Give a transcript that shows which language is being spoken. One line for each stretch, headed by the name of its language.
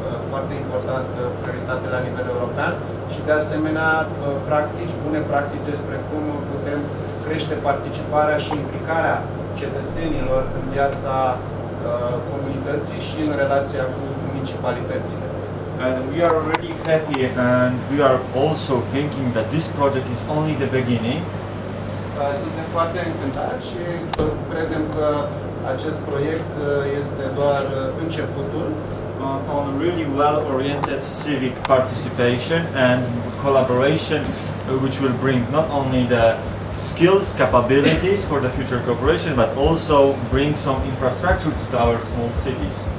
Romanian: Foarte important, prioritate la nivel european și de asemenea practici, bune practici despre cum putem crește participarea și implicarea cetățenilor în viața comunității și în relația cu municipalitățile.
English: And we are really happy and we are also thinking that this project is only the beginning.
Romanian: Suntem foarte încântați și credem că acest proiect este doar începutul.
English: On really well-oriented civic participation and collaboration, which will bring not only the skills, capabilities for the future cooperation, but also bring some infrastructure to our small cities.